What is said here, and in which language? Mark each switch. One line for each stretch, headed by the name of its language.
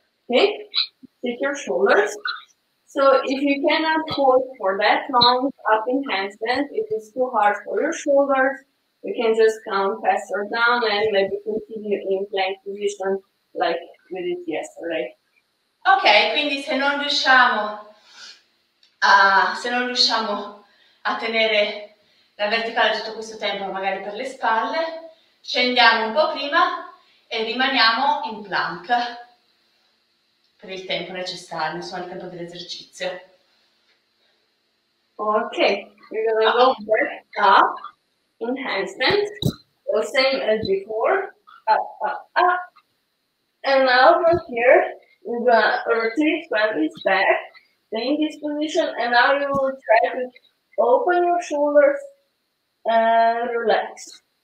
English: Okay, take your shoulders. So if you cannot hold for that long up in handstand, it is too hard for your shoulders, you can just come faster down and maybe continue in plank position like we did yesterday.
Italian: Ok, quindi se non riusciamo a tenere la verticale tutto questo tempo, magari per le spalle, scendiamo un po' prima e rimaniamo in plank per il tempo necessario, insomma, il tempo dell'esercizio.
English: Ok, we're gonna go back up in handstand, the same as before, up, up, up. And now from here, we're gonna rotate pelvis back, stay in this position, and now you will try to open your shoulders and relax.